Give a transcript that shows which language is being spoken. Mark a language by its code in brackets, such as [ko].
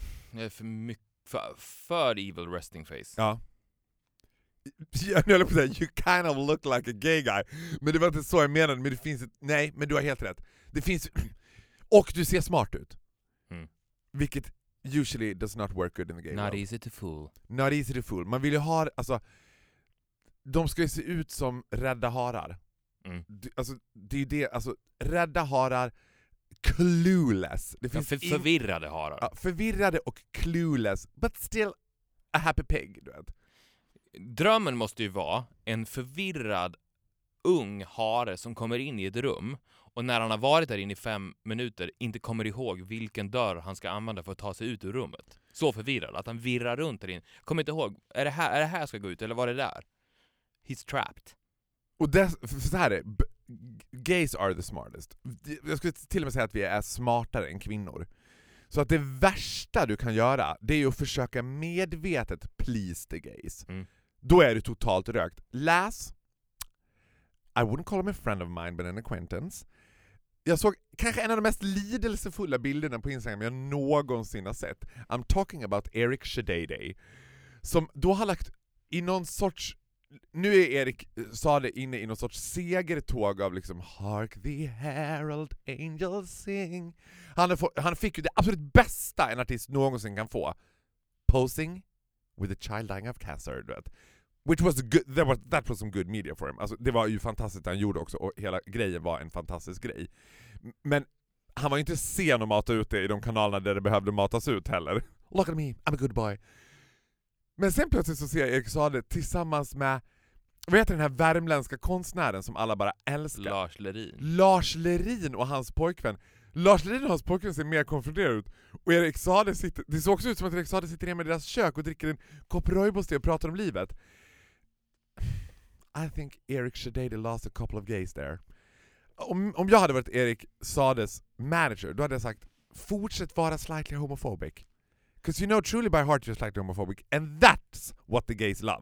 [sv] Jag är för mycket för evil resting face. Ja. Jag håller på att säga, you kind of look like a gay guy. Men det var inte så jag menade. Men det finns ett, nej, men du har helt rätt. Det finns, och du ser smart ut. Mm. [en] Vilket usually does not work good in the gay world. Not easy to fool. [sv] Not easy to fool. Man vill ju ha, alltså, de ska ju se ut som rädda harar. Mm. Alltså, det är ju det, alltså, rädda harar, clueless. Det finns förvirrade harar. Ja, förvirrade och clueless, but still a happy pig, du vet. Drömmen måste ju vara en förvirrad ung hare som kommer in i ett rum och när han har varit där inne i 5 minuter inte kommer ihåg vilken dörr han ska använda för att ta sig ut ur rummet. Så förvirrad att han virrar runt där inne. Kommer inte ihåg, är det här jag ska gå ut eller var det där? [en] He's trapped. [sv] Och det, så här är det, gays are the smartest. Jag skulle till och med säga att vi är smartare än kvinnor. Så att det värsta du kan göra, det är att försöka medvetet please the gays. Mm. Då är du totalt rökt. Läs. [en] I wouldn't call him a friend of mine, but an acquaintance. [sv] Jag såg kanske en av de mest lidelsefulla bilderna på Instagram jag någonsin har sett. [en] I'm talking about Eric Shadeday. [sv] Som då har lagt i någon sorts... Nu är Erik, sa det, inne i någon sorts segertåg av liksom Hark the herald angels sing. Han fick ju det absolut bästa en artist någonsin kan få. [en] Posing with a child dying of cancer, du vet. Which was good, that was some good media for him. Alltså, det var ju fantastiskt han gjorde också och hela grejen var en fantastisk grej. [sv] Men han var ju inte sen att mata ut det i de kanalerna där det behövde matas ut heller. Look at me, I'm a good boy. Men sen plötsligt så ser jag Erik Sade tillsammans med, vad heter den här värmländska konstnären som alla bara älskar? Lars Lerin och hans pojkvän. Lars Lerin och hans pojkvän ser mer konfronterad ut. Och Erik Sade sitter, det ser också ut som att Erik Sade sitter hemma i deras kök och dricker en kopp rooibos och pratar om livet. [en] I think Eric Shadeady lost a couple of gays there. [sv] Om jag hade varit Erik Sades manager, då hade jag sagt, fortsätt vara slightly homophobic. [en] Because you know truly by heart just like the homophobic. And that's what the gays love.